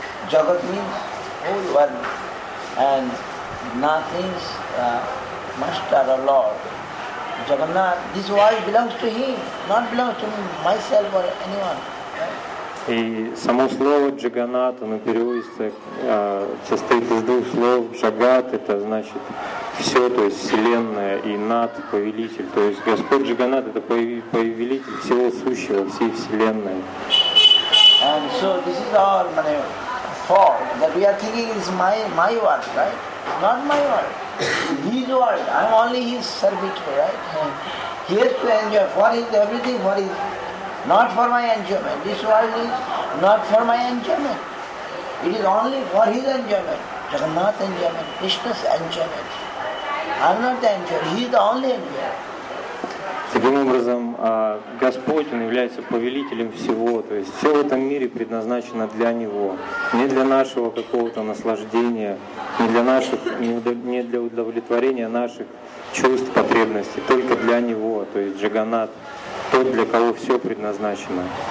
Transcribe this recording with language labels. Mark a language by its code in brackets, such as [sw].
[en] Jagat means whole world. And nothing is master or lord. Jagannath, this world belongs to him, not belongs to myself or anyone. [ru] И само слово Джаганат, оно переводится, состоит из двух слов. Джагат — это значит все, то есть вселенная, и над — повелитель. То есть Господь Джаганат — это повелитель всего сущего, всей вселенной. [en] And so this is our fault, that we are thinking it's my world, right? not my world. His world. I am only his servitor, right? He has to enjoy. For his everything, for his. Not for my enjoyment. This world is not for my enjoyment. It is only for his enjoyment. Jagannath's enjoyment, Krishna's enjoyment. I am not the enjoyer. He is the only enjoyer. [ru] Таким образом, Господь, Он является повелителем всего, то есть все в этом мире предназначено для Него, не для нашего какого-то наслаждения, не для наших, не для удовлетворения наших чувств, потребностей, только для Него, то есть Джаганнат, тот, для кого все предназначено.